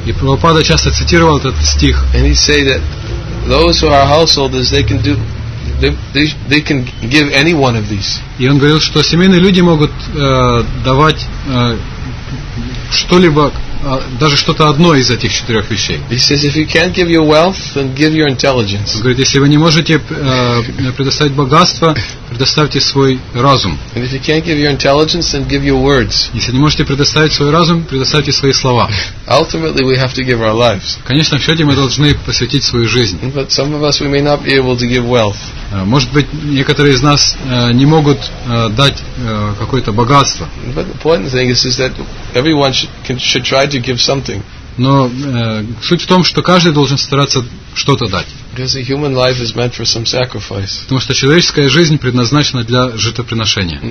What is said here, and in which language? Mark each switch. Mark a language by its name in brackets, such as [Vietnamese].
[Russian] И Прабхупада часто цитировал этот стих. [English] And he'd say that those who are householders, they can give any one of these. [Russian] И он говорил, что семейные люди могут давать что-либо, даже что-то одно из этих четырех вещей. [English] He says, if you can't give your wealth, then give your intelligence. [Russian] Он говорит, если вы не можете предоставить богатство, предоставьте свой разум. [English] And if you can't give your intelligence, then give your words. [Russian] Если не можете предоставить свой разум, предоставьте свои слова. [English] Ultimately, we have to give our lives. [Russian] В конечном счете мы должны посвятить свою жизнь. [English] But some of us we may not be able to give wealth. [Russian] Может быть, некоторые из нас не могут дать какое-то богатство. [English] But the important thing is that everyone should try to give something. [Russian] Но суть в том, что каждый должен стараться что-то дать. [English] Because a human life is meant for some sacrifice. [Russian] Потому что человеческая жизнь предназначена для жертвоприношения.